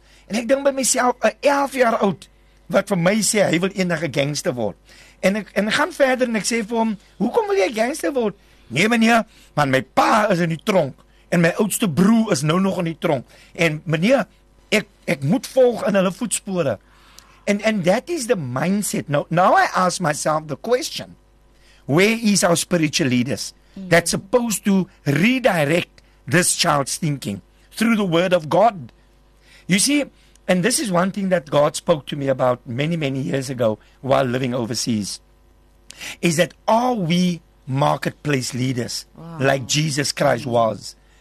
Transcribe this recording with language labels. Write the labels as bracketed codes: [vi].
[af] En ek dink by myself, 'n 11 jaar oud, wat vir my sê, hy wil eendag 'n gangster word. En ek gaan verder en ek sê vir hom, hoekom wil jy 'n gangster word? Nee meneer, want my pa is in die tronk en my oudste broer is nou nog in die tronk. En meneer, ek moet volg in hulle voetspore. [en] And that is the mindset. Now I ask myself the question, where is our spiritual leaders that's supposed to redirect this child's thinking through the word of God? You see, and this is one thing that God spoke to me about many, many years ago while living overseas, is that are we marketplace leaders like Jesus Christ was?